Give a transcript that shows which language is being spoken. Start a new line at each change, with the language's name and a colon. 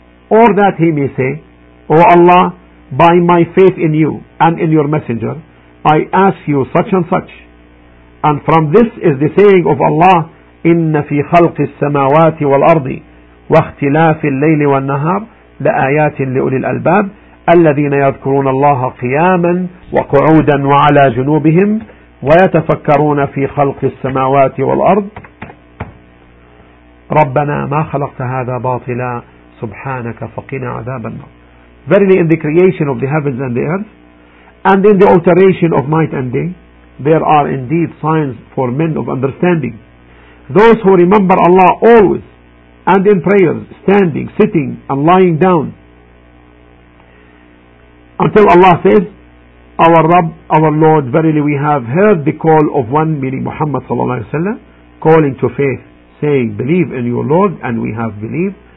English: Or that he may say, O Allah, by my faith in you and in your messenger, I ask you such and such. And from this is the saying of Allah,
Arabic: إِنَّ فِي خَلْقِ السَّمَاوَاتِ وَالْأَرْضِ واختلاف الليل والنهار لآيات لأولي الألباب الذين يذكرون الله قياما وقعودا وعلى جنوبهم ويتفكرون في خلق السماوات والأرض ربنا ما خلقت هذا باطلا سبحانك فقنا عذاب النار.
English: Verily in the creation of the heavens and the earth and in the alteration of night and day there are indeed signs for men of understanding. Those who remember Allah always and in prayers, standing, sitting and lying down until Allah says, our Rabb, our Lord, verily we have heard the call of one, meaning Muhammad sallallahu alayhi wa sallam, calling to faith, saying, believe in your Lord, and we have believed.